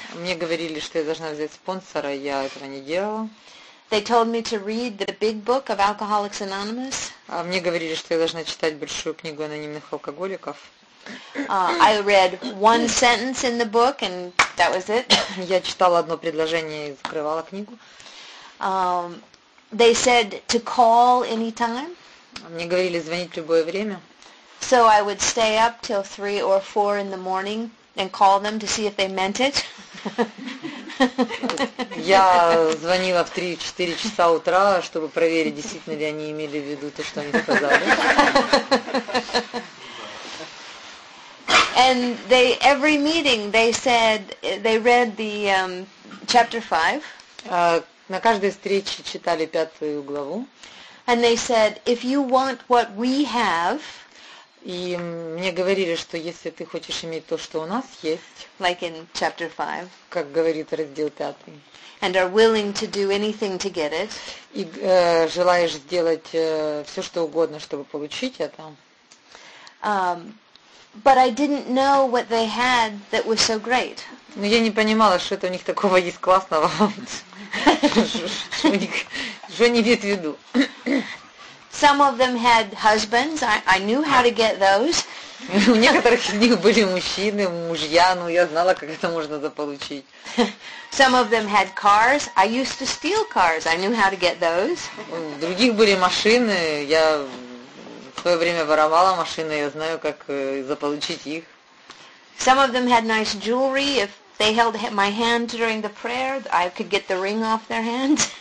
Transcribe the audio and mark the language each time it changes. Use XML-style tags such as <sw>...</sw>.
<ru>Мне говорили, что я должна взять спонсора, я этого не делала.</ru> <en>They told me to read the big book of Alcoholics Anonymous.</en> <ru>Мне говорили, что я должна читать большую книгу анонимных алкоголиков.</ru> <en>I read one sentence in the book, and that was it.</en> <ru>Я читала одно предложение и закрывала книгу.</ru> <en>They said to call anytime.</en> <ru>Мне говорили звонить в любое время.</ru> <en>So I would stay up till 3 or 4 in the morning and call them to see if they meant it.</en> <ru>Я звонила в 3-4 часа утра, чтобы проверить, действительно ли они имели в виду то, что они сказали.</ru> <en>And they every meeting they said they read the chapter 5.</en> <ru>На каждой встрече читали пятую главу.</ru> <en>And they said, if you want what we have,</en> <ru>и мне говорили, что если ты хочешь иметь то, что у нас есть,</ru> <en>like in chapter 5,</en> <ru>как говорит раздел 5,</ru> <en>and are willing to do anything to get it,</en> <ru>и желаешь сделать все, что угодно, чтобы получить это,</ru> <en>but I didn't know what they had that was so great.</en> <ru>Но я не понимала, что это у них такого есть классного. Что они имеют в виду?</ru> <en>Some of them had husbands. I knew how to get those.</en> <ru>У некоторых из них были мужчины, мужья, но я знала, как это можно заполучить.</ru> <en>Some of them had cars. I used to steal cars. I knew how to get those.</en> <ru>У других были машины. Я в свое время воровала машины. Я знаю, как заполучить их.</ru> <en>Some of them had nice jewelry. If they held my hand during the prayer, I could get the ring off their hand.</en>